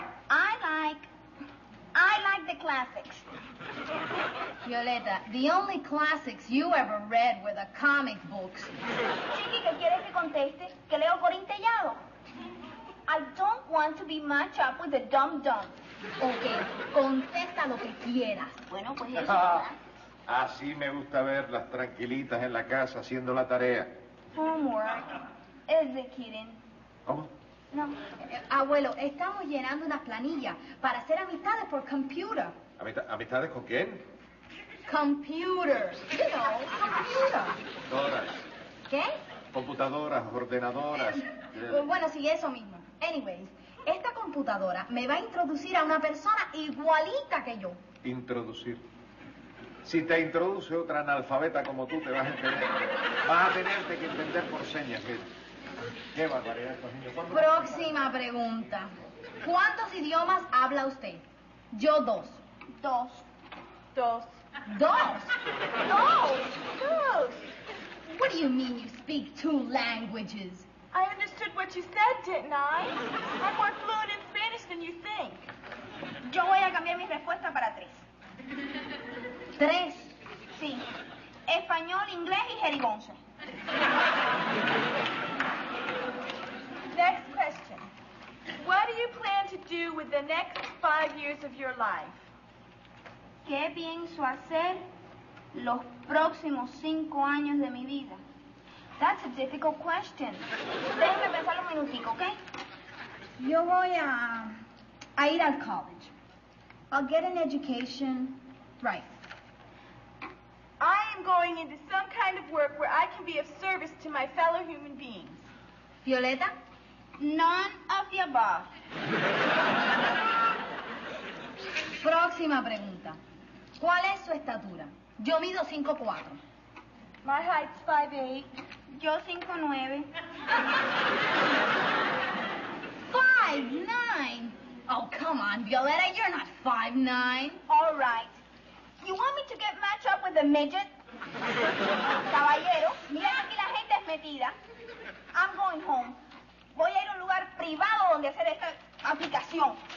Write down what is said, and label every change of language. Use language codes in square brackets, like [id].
[en] I like the classics. Violeta, the only classics you ever read were the comic books. [es] Chiqui, ¿qué quieres que conteste? Que leo Corintellado. [en] I don't want to be matched up with the dumb dumb. [es] Okay, contesta lo que quieras. Bueno, pues eso, ¿verdad? Así me gusta verlas tranquilitas en la casa haciendo la tarea. [en] Homework. Is it kidding? [es] ¿Cómo? No. Abuelo, estamos llenando una planilla para hacer amistades por computer. ¿Amistades con quién? [en] Computer. You know, computer. [es] Todas. ¿Qué? Computadoras, ordenadoras. Bueno, sí, eso mismo. Anyways, esta computadora me va a introducir a una persona igualita que yo. ¿Introducir? Si te introduce otra analfabeta como tú, te vas a entender. Vas a tenerte que entender por señas, ¿eh? Qué barbaridad, estos niños. Próxima pregunta. ¿Cuántos idiomas habla usted? Yo dos. Dos. Dos. Dos. Dos. Dos. [en] What do you mean you speak two languages? I understood what you said, didn't I? I'm more fluent in Spanish than you think. [es] Yo voy a cambiar mi respuesta para tres. Tres? Sí. Español, inglés y jerigonza. [en] Next question. What do you plan to do with the next 5 years of your life? [es] ¿Qué pienso hacer los próximos 5 años de mi vida? [en] That's a difficult question. [es] Déjame pensar un minutico, ¿ok? Yo voy a ir al college. [en] I'll get an education. Right. I am going into some kind of work where I can be of service to my fellow human beings. Violeta? None of the above. [es] Próxima pregunta. ¿Cuál es su estatura? Yo mido 5'4". [en] My height's 5'8". [es] Yo 5'9". [en] 5'9"? Oh, come on, Violeta, you're not 5'9". All right. You want me to get matched up with a midget? [es] Caballero, mira que aquí la gente es metida. [en] I'm going home. [es] Voy a ir a un lugar privado donde hacer esta aplicación.